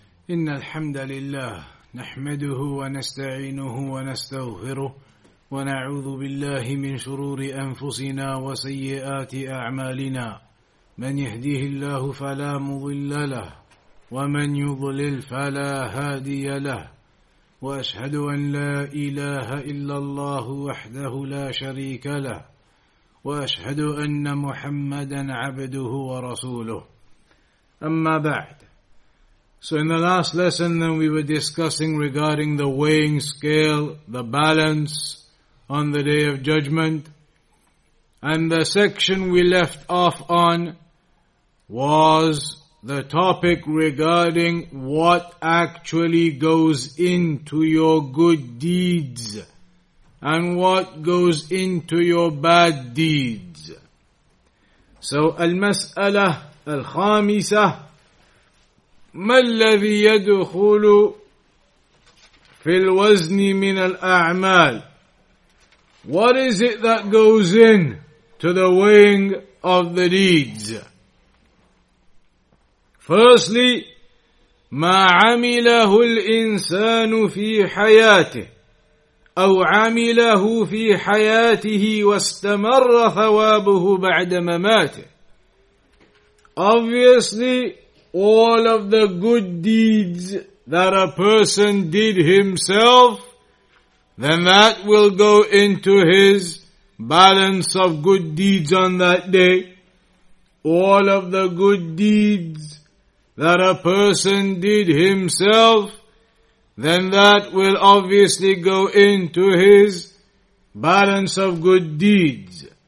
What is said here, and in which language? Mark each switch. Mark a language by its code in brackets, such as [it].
[ar] إن الحمد لله نحمده ونستعينه ونستغفره ونعوذ بالله من شرور أنفسنا وسيئات أعمالنا، من يهديه الله فلا مضل له ومن يضلل فلا هادي له، وأشهد أن لا إله إلا الله وحده لا شريك له، وأشهد أن محمدا عبده ورسوله. أما بعد، [en] so in the last lesson then we were discussing regarding the weighing scale, the balance on the Day of Judgment. And the section we left off on was the topic regarding what actually goes into your good deeds and what goes into your bad deeds. So [ar] al-mas'ala al-khamisa, ما الذي يدخل في الوزن من الأعمال؟ [en] What is it that goes in to the weighing of the deeds? Firstly, [ar] ما عمله الإنسان في حياته أو عمله في حياته واستمر ثوابه بعد مماته. [en] Obviously, all of the good deeds that a person did himself, then that will go into his balance of good deeds on that day. All of the good deeds that a person did himself, then that will obviously go into his balance of good deeds.